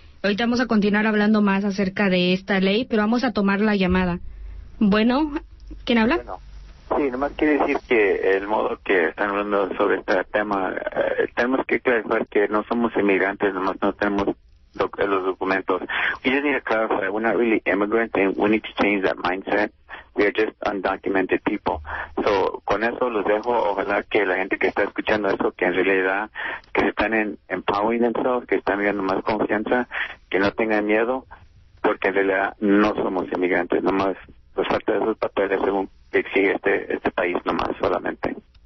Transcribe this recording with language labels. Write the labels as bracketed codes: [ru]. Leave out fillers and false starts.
[es] Ahorita vamos a continuar hablando más acerca de esta ley, pero vamos a tomar la llamada. Bueno, ¿quién habla? Bueno, sí, nomás quiere decir que el modo que están hablando sobre este tema, tenemos que aclarar que no somos inmigrantes, nomás no tenemos los documentos. [en] We just need to clarify, we're not really immigrants, and we need to change that mindset. We are just undocumented people. So, [es] con eso los dejo. Ojalá que la gente que está escuchando eso, que en realidad, que están [en] empowering themselves, [es] que están viendo más confianza, que no tengan miedo, porque en realidad no somos inmigrantes. Nomás nos falta esos papeles según exige este país, nomás solamente.